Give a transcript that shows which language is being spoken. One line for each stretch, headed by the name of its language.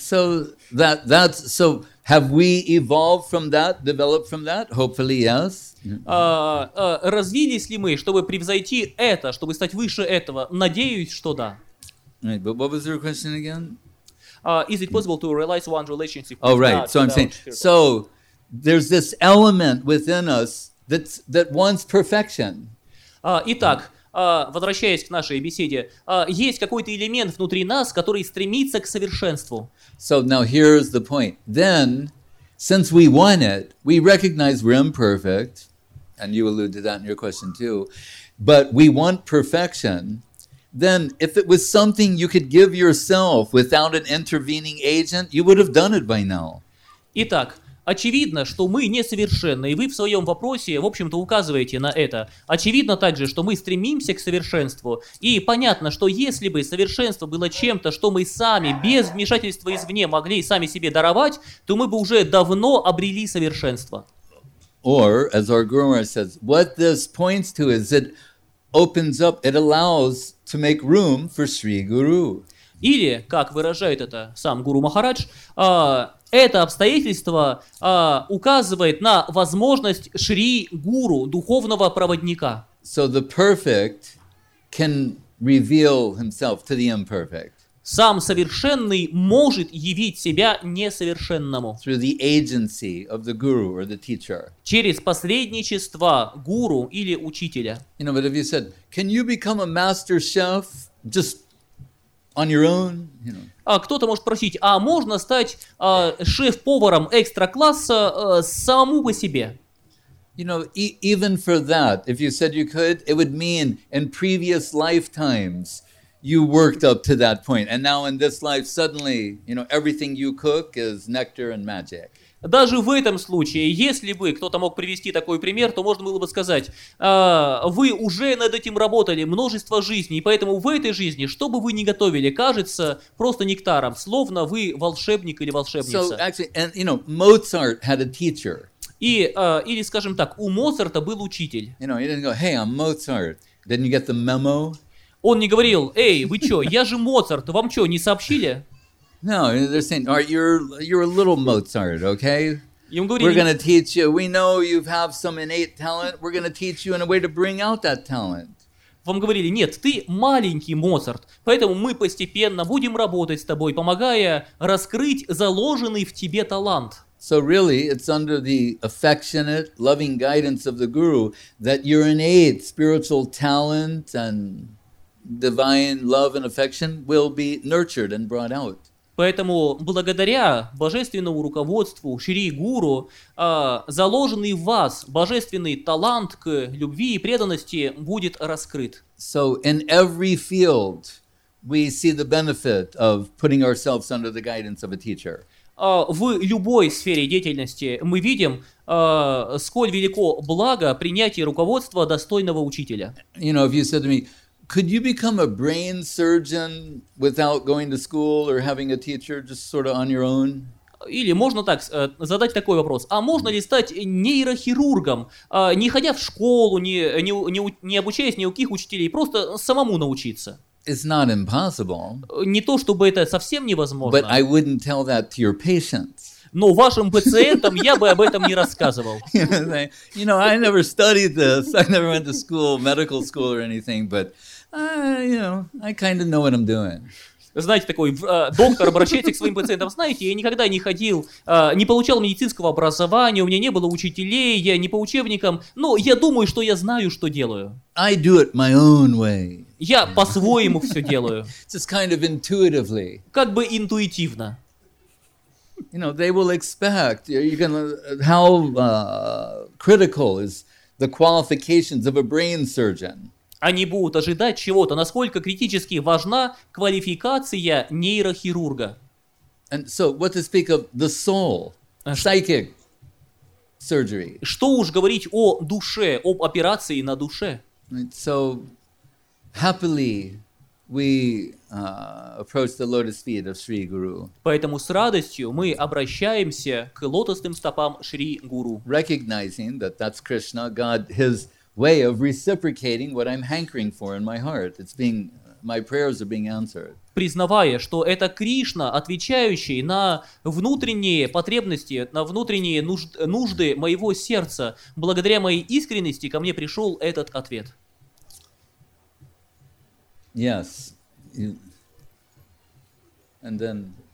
English: So that's so have we evolved from that, developed from that? Hopefully, yes.
Russian: Развились ли мы, чтобы превзойти это, чтобы стать выше этого? Надеюсь, что да.
English: Right, but what was your question again? Is it possible to realize one relationship? Oh, right. So I'm saying, so there's this element within us that wants perfection.
Russian: Итак, возвращаясь к нашей беседе, есть какой-то элемент внутри нас, который стремится к совершенству.
English: So now here's the point. Then, since we want it, we recognize we're imperfect, and you allude to that in your question too, but we want perfection. Then, if it was something you could give yourself without an intervening agent, you would have done it by now.
Russian: Итак, очевидно, что мы несовершенны, и вы в своем вопросе, в общем-то, указываете на это. Очевидно также, что мы стремимся к совершенству, и понятно, что если бы совершенство было чем-то, что мы сами, без вмешательства извне, могли сами себе даровать, то мы бы уже давно обрели совершенство.
English: Or, as our guru says, what this points to is it opens up, it allows to make room for Sri Guru.
Russian: Или, как выражает это сам Гуру Махарадж, это обстоятельство указывает на возможность Шри Гуру, духовного проводника.
English: So the perfect can reveal himself to the imperfect.
Russian: Сам совершенный может явить себя несовершенному.
English: Through the agency of the guru or the teacher.
Russian: Через посредничество гуру или учителя.
English: You know, but if you said, can you become a master chef just on your own? You know.
Russian: Кто-то может спросить, а можно стать шеф-поваром экстра-класса самому по себе?
English: You know, even for that, if you said you could, it would mean in previous lifetimes you worked up to that point, and now in this life, suddenly, you know, everything you cook is nectar and magic.
Russian: Даже в этом случае, если бы кто-то мог привести такой пример, то можно было бы сказать, вы уже над этим работали множество жизней, поэтому в этой жизни, что бы вы ни готовили, кажется просто нектаром, словно вы волшебник или волшебница.
English: So actually, and you know, Mozart had a teacher.
Russian: И или скажем так, у Моцарта был учитель.
English: You know, he didn't go, hey, I'm Mozart. Didn't you get the memo?
Russian: Он не говорил, эй, вы чё, я же Моцарт, вам чё, не сообщили?
English: No, they're saying, all right, you're a little Mozart, okay?
Russian: Ему говорили,
English: we're going to teach you, we know you have some innate talent, we're going to teach you in a way to bring out that talent.
Russian: Вам говорили, нет, ты маленький Моцарт, поэтому мы постепенно будем работать с тобой, помогая раскрыть заложенный в тебе талант.
English: So really, it's under the affectionate, loving guidance of the guru that your innate spiritual talent and divine love and affection will be nurtured and brought out.
Russian: Поэтому благодаря божественному руководству Шри Гуру, заложенный в вас божественный талант к любви и преданности будет раскрыт.
English: So in every field we see the benefit of putting ourselves under the guidance of a teacher.
Russian: В любой сфере деятельности мы видим, сколь велико благо принятия руководства достойного учителя.
English: You know, if you said to me, could you become a brain surgeon without going to school or having a teacher, just sort of on your own?
Russian: Или можно так задать такой вопрос: а можно ли стать нейрохирургом, не ходя в школу, не обучаясь ни у каких учителей, просто самому научиться?
English: It's not impossible.
Russian: Не то чтобы это совсем невозможно.
English: But I wouldn't tell that to your patients.
Russian: Но вашим пациентам я бы об этом не рассказывал.
English: You know, I never studied this. I never went to school, medical school or anything, but you know, I kind of know what I'm doing.
Russian: Знаете, такой доктор обращается к своим пациентам. Знаете, я никогда не ходил, не получал медицинского образования, у меня не было учителей, я не по учебникам, но я думаю, что я знаю, что делаю.
English: I do it my own way.
Russian: Я по-своему все делаю.
English: Just kind of intuitively.
Russian: Как бы интуитивно.
English: You know, they will expect, you're going to, how critical is the qualifications of a brain surgeon?
Russian: Они будут ожидать чего-то, насколько критически важна квалификация нейрохирурга.
English: And so, what to speak of the soul, psychic surgery.
Russian: Что уж говорить о душе, об операции на душе.
English: So, happily, we approach the lotus feet of Sri Guru.
Russian: Поэтому с радостью мы обращаемся к лотосным стопам Шри Гуру.
English: Recognizing that that's Krishna, God, his way of reciprocating what I'm hankering for in my heart. It's being my prayers are being answered.
Russian: Признавая, что это Кришна, отвечающий на внутренние потребности, на внутренние нужды моего сердца, благодаря моей искренности ко мне пришел этот ответ.
English: Yes. And then...